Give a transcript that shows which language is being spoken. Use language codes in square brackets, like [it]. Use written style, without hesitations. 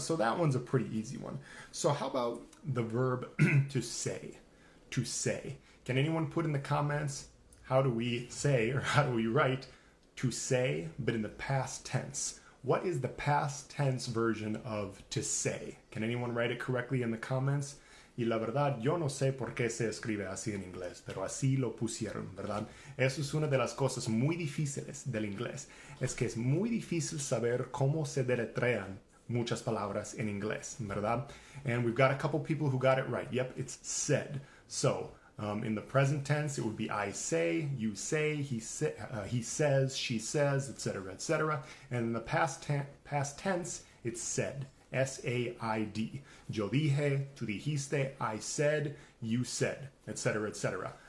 [en] So that one's a pretty easy one. So how about the verb to say? To say. Can anyone put in the comments, how do we say, or how do we write, to say, but in the past tense? What is the past tense version of to say? Can anyone write it correctly in the comments? [es] Y la verdad, yo no sé por qué se escribe así en inglés, pero así lo pusieron, ¿verdad? Eso es una de las cosas muy difíciles del inglés. Es que es muy difícil saber cómo se deletrean muchas palabras en inglés, ¿verdad? [en] And we've got a couple people who got it right. Yep, it's said. So, in the present tense, it would be I say, you say, he says, she says, etc., etc. And in the past tense, it's said. S-A-I-D. [es] Yo dije, tú dijiste, [en] I said, you said, etc., etc.